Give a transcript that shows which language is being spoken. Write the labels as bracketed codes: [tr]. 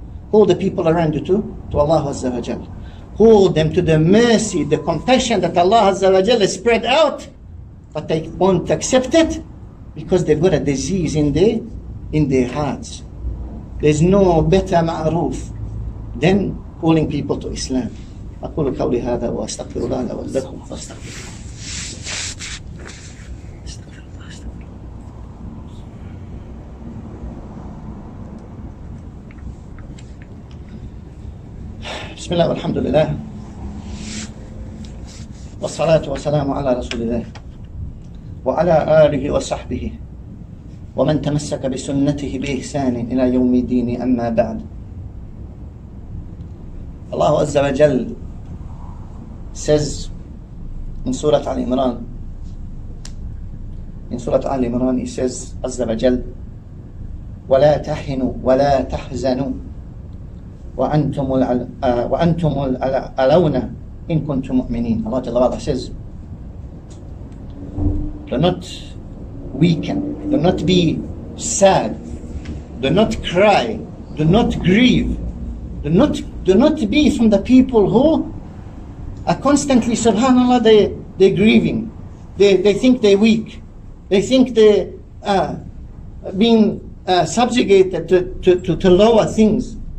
[en] Call the people around you to Allah Azza wa Jalla. Call them to the mercy, the compassion that Allah Azza wa Jalla spread out, but they won't accept it because they've got a disease in their hearts. There's no better ma'aruf than calling people to Islam. [ar] أقول قولي هذا وأستغفر الله لكم وأستغفر الله. بسم الله والحمد لله والصلاة والسلام على رسول الله وعلى آله وصحبه ومن تمسك بسنته بإحسان إلى يوم الدين أما بعد. الله عز وجل [en] says in [ar] سورة آل عمران, in سورة آل عمران [en] he says [ar] عز وجل ولا تحنوا ولا تحزنوا وَأَنْتُمُ الْأَلَوْنَ إِن كُنْتُمْ مُؤْمِنِينَ. [en] Allah Jalla Wa'ala says, do not weaken, do not be sad, do not cry, do not grieve, do not be from the people who are constantly, subhanAllah, they're grieving, they think they're weak, they think they're being subjugated to lower things.